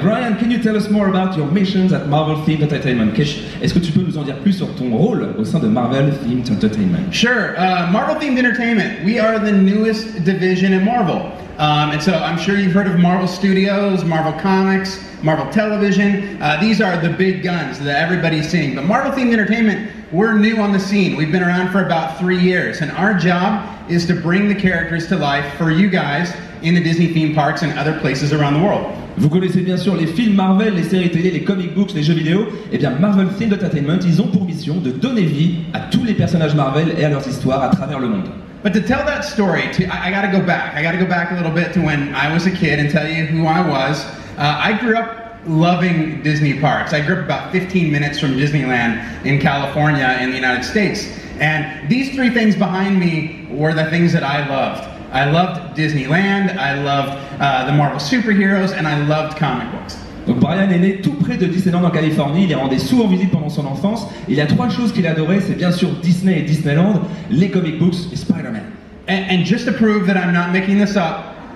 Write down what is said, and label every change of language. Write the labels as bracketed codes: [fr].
[en] Brian, can you tell us more about your missions at Marvel Themed Entertainment? [fr] Est-ce que tu peux nous en dire plus sur ton rôle au sein de Marvel Themed Entertainment? [en] Sure. Marvel Themed Entertainment, we are the newest division in Marvel. And so I'm sure you've heard of Marvel Studios, Marvel Comics, Marvel Television. These are the big guns that everybody's seeing. But Marvel Themed Entertainment, we're new on the scene. We've been around for about 3 years. And our job is to bring the characters to life for you guys in the Disney theme parks and other places around the world. [fr] Vous connaissez bien sûr les films Marvel, les séries télé, les comic books, les jeux vidéo. Eh bien, Marvel Themed Entertainment, ils ont pour mission de donner vie à tous les personnages Marvel et à leurs histoires à travers le monde. [en] But to tell that story, I gotta go back. I gotta go back a little bit to when I was a kid and tell you who I was. I grew up loving Disney parks. I grew up about 15 minutes from Disneyland in California in the United States. And these three things behind me were the things that I loved. I loved Disneyland, I loved the Marvel superheroes, and I loved comic books. [fr] Donc Brian est né tout près de Disneyland en Californie, il y rendait souvent visite pendant son enfance. Il y a trois choses qu'il adorait, c'est bien sûr Disney et Disneyland, les comic books et Spider-Man. [en] And just to prove that I'm not making this up.